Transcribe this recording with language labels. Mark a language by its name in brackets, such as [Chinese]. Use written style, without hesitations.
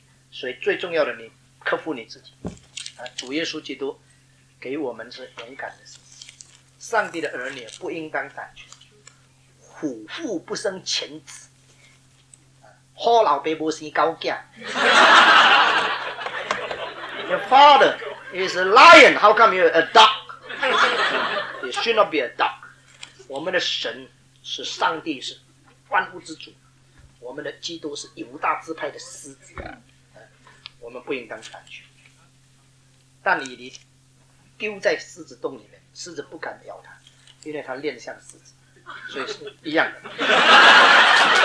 [Chinese] 所以最重要的你克服你自己啊，主耶稣基督给我们是勇敢的事，上帝的儿女不应当胆怯，虎父不生犬子，虎老爸不生狗子。 [English] Your father is a lion, how come you're a dog? You should not be a dog. [Chinese] 我们的神是上帝，是万物之主，我们的基督是犹大支派的狮子，我们不应当胆怯。但你丢在狮子洞里面，狮子不敢咬他，因为他练得像狮子，所以是一样的。